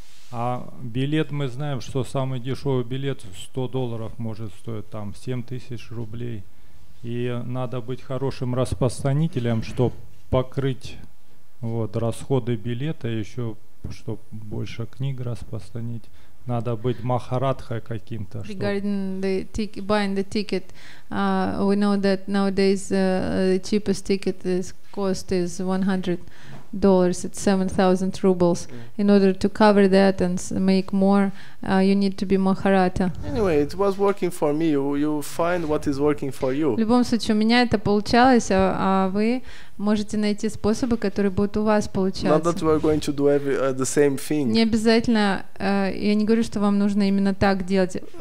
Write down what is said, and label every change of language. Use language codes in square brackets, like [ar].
[ru] А билет мы знаем, что самый дешевый билет $100 может стоить там 7000 рублей. И надо быть хорошим распространителем, чтобы покрыть вот расходы билета, еще чтобы больше книг распространить. Надо быть махарадхой каким-то. [en] Regarding buying the ticket, we know that nowadays the cheapest ticket cost is $100. It's 7,000 rubles. Mm. In order to cover that and make more, you need to be махарата. Anyway, it was working for me. You find what is working for you. [ru] В любом случае, у меня это получалось, а вы можете найти способы, которые будут у вас получаться. [en] Not that we are going to do the same thing. [ru] Не обязательно. Я не говорю, что вам нужно именно так делать.